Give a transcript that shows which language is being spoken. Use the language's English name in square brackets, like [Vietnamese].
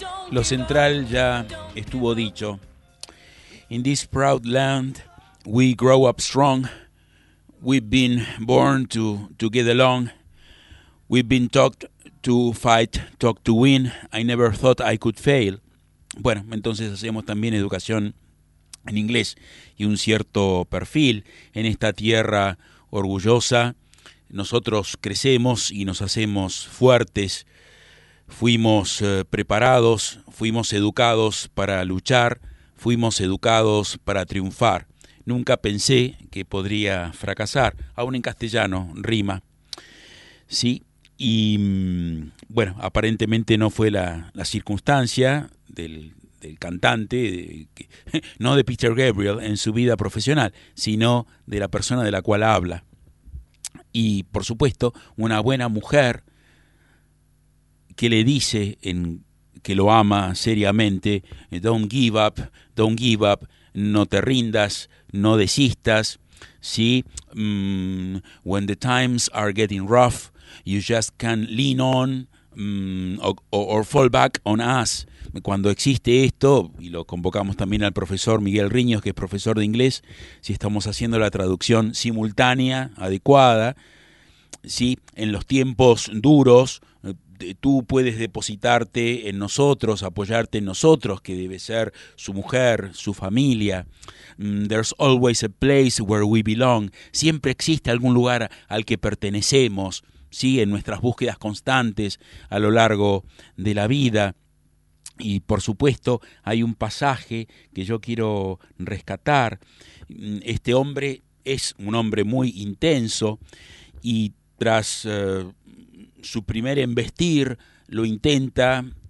[Spanish] lo central ya estuvo dicho. [English] In this proud land, we grow up strong. We've been born to get along. We've been taught to fight, taught to win. I never thought I could fail. [Spanish] Bueno, entonces hacemos también educación en inglés y un cierto perfil en esta tierra orgullosa. Nosotros crecemos y nos hacemos fuertes. Fuimos preparados, fuimos educados para luchar, fuimos educados para triunfar. Nunca pensé que podría fracasar, aún en castellano, rima. Sí, y bueno, aparentemente no fue la circunstancia del cantante, no de Peter Gabriel en su vida profesional, sino de la persona de la cual habla. Y, por supuesto, una buena mujer que le dice que lo ama seriamente, [English] don't give up, don't give up, [Spanish] no te rindas, no desistas, ¿sí? [English] When the times are getting rough, you just can lean on or fall back on us. [Spanish] Cuando existe esto, y lo convocamos también al profesor Miguel Riños, que es profesor de inglés, si estamos haciendo la traducción simultánea, adecuada, ¿sí? En los tiempos duros, tú puedes depositarte en nosotros, apoyarte en nosotros, que debe ser su mujer, su familia. [English] There's always a place where we belong. [Spanish] Siempre existe algún lugar al que pertenecemos, ¿sí? En nuestras búsquedas constantes a lo largo de la vida. Y, por supuesto, hay un pasaje que yo quiero rescatar. Este hombre es un hombre muy intenso y tras su primer embestir lo intenta.